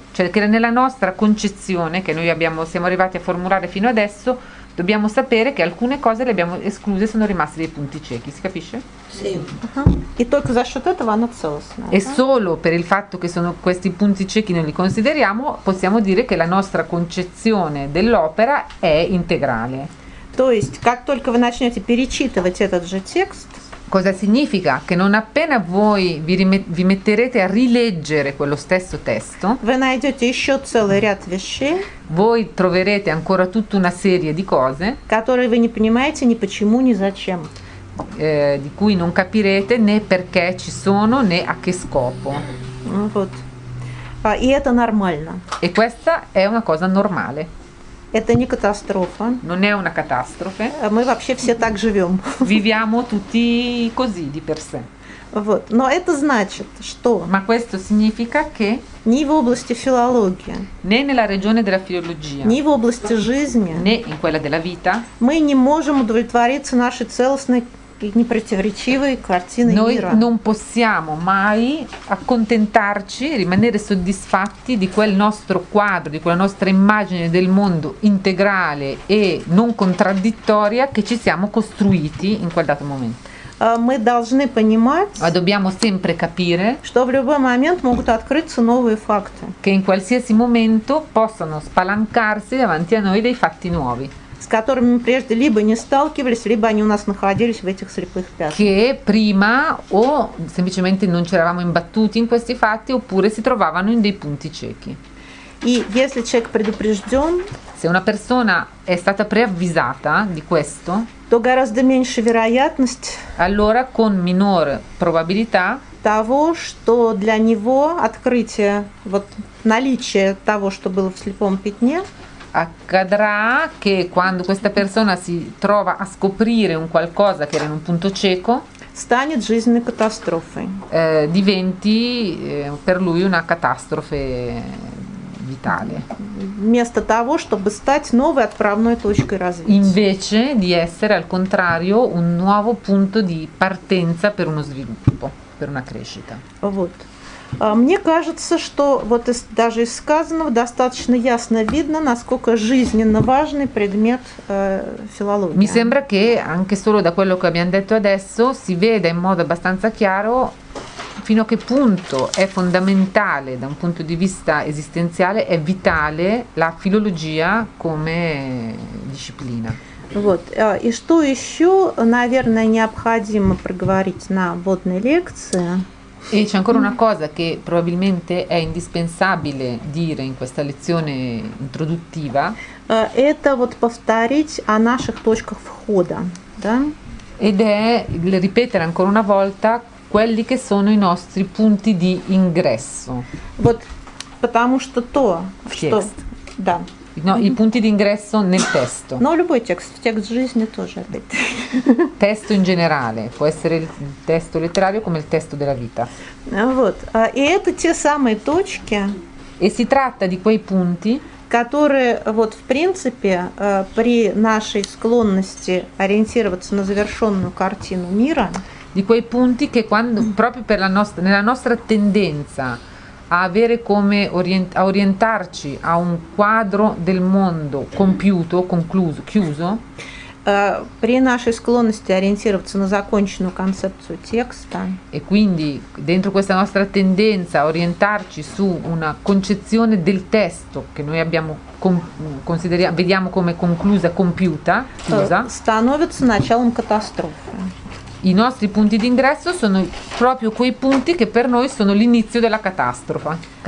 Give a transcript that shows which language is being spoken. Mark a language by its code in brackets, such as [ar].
[it] Cioè che nella nostra concezione che noi siamo arrivati a formulare fino adesso dobbiamo sapere che alcune cose le abbiamo escluse, sono rimaste dei punti ciechi, si capisce? Sì. E solo per il fatto che sono questi punti ciechi non li consideriamo, possiamo dire che la nostra concezione dell'opera è integrale. [ru] То есть, как только вы начнете перечитывать этот же текст. [it] Cosa significa? Che non appena voi vi metterete a rileggere quello stesso testo, [ru] вы найдете еще целый ряд вещей, [it] voi troverete ancora tutta una serie di cose, [ru] которые вы не понимаете ни почему, ни зачем, [it] di cui non capirete né perché ci sono, né a che scopo. [ru] Вот. И это нормально. [it] E questa è una cosa normale. [ru] Это не катастрофа. [it] Non è una catastrofe. [ru] Мы вообще все так живем. [it] Viviamo tutti così di per sé. [ru] Вот. Но это значит, что. [it] Ma questo significa che. [ru] Ni в области филологии. [it] Né nella regione della filologia. [ru] Ni в области жизни. [it] Né in quella della vita. [ru] Мы не можем удовлетвориться нашей целостной и непротиворечивой картиной [it] noi [ru] мира. [it] Noi non possiamo mai accontentarci, rimanere soddisfatti di quel nostro quadro, di quella nostra immagine del mondo integrale e non contraddittoria che ci siamo costruiti in quel dato momento. [ru] Мы должны понимать, [it] а dobbiamo sempre capire, [ru] что в любой момент могут открыться новые факты. [it] Che in qualsiasi momento possono spalancarsi davanti a noi dei fatti nuovi. [ru] С которыми мы прежде либо не сталкивались, либо они у нас находились в этих слепых пятнах. [it] Che prima o semplicemente non ci eravamo imbattuti in questi fatti, oppure si trovavano in dei punti ciechi. [ru] И если человек предупрежден, [it] se una persona è stata preavvisata di questo, [ru] то гораздо меньше вероятность, [it] allora con minore probabilità, [ru] того, что для него открытие, вот наличие того, что было в слепом пятне. [it] Accadrà che quando questa persona si trova a scoprire un qualcosa che era in un punto cieco, [ru] станет жизненной катастрофой. [it] Diventi per lui una catastrofe vitale. [ru] Вместо того, чтобы стать новой отправной точкой развития. [it] Invece di essere al contrario un nuovo punto di partenza per uno sviluppo, per una crescita. [ru] Вот. Мне кажется, что вот из, даже из сказанного достаточно ясно видно, насколько жизненно важный предмет филология. [it] Mi sembra che anche solo da quello che abbiamo detto adesso si veda in modo abbastanza chiaro fino a che punto è fondamentale da un punto di vista esistenziale, è vitale la filologia come disciplина. [ru] Вот. И что еще, наверное, необходимо проговорить на вводной лекции? [it] E c'è ancora una cosa che probabilmente è indispensabile dire in questa lezione introduttiva. [ru] Это вот повторить о наших точках входа, да? [it] Ed è il ripetere ancora una volta quelli che sono i nostri punti di ingresso. [ru] Вот, потому что то, что, да. [it] No, i punti di ingresso nel testo. [ru] No, любой текст, текст жизни тоже. [it] Testo in generale, può essere il testo letterario come il testo della vita. [ru] Вот. И это те самые точки. [it] E si tratta di quei punti, [ru] которые вот в принципе при нашей склонности ориентироваться на завершенную картину мира. [it] Di quei punti che quando proprio per la nostra nella nostra tendenza a avere come a orientarci a un quadro del mondo compiuto, concluso, chiuso. [ru] При нашей склонности ориентироваться на законченную концепцию текста. [it] E quindi dentro questa nostra tendenza a orientarci su una concezione del testo che noi abbiamo consideriamo vediamo come conclusa, compiuta, chiusa. [ru] Становится началом катастрофы. [it] I nostri punti di ingresso sono proprio quei punti che per noi sono l'inizio della catastrofe.